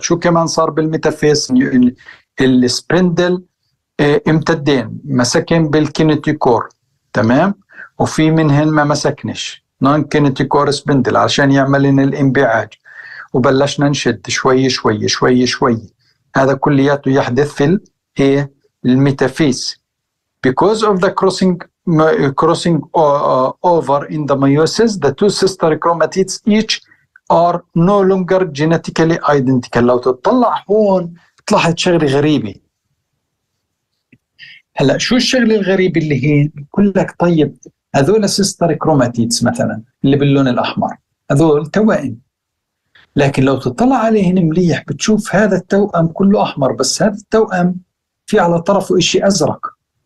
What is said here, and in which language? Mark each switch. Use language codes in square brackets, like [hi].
[ar] شو كمان صار بالميتافيس؟ السبندل امتدين مسكن بالكينيتيكور، تمام، وفي منهن ما مسكنش نون كينيتيكور سبندل عشان يعملن الانبعاج، وبلشنا نشد شوي شوي شوي شوي، هذا كلياته يحدث في الميتافيز [en] because of the crossing over in the meiosis, the two sister chromatids each are no longer genetically identical. [ar] لو تطلع هون طلعت شغلة غريبة. هلا شو الشغلة الغريبة اللي هي؟ بقول لك طيب هذول sister chromatids مثلا اللي باللون الأحمر هذول توائم، لكن لو تطلع عليهن مليح بتشوف هذا التوأم كله أحمر، بس هذا التوأم في على طرفه إشي أزرق.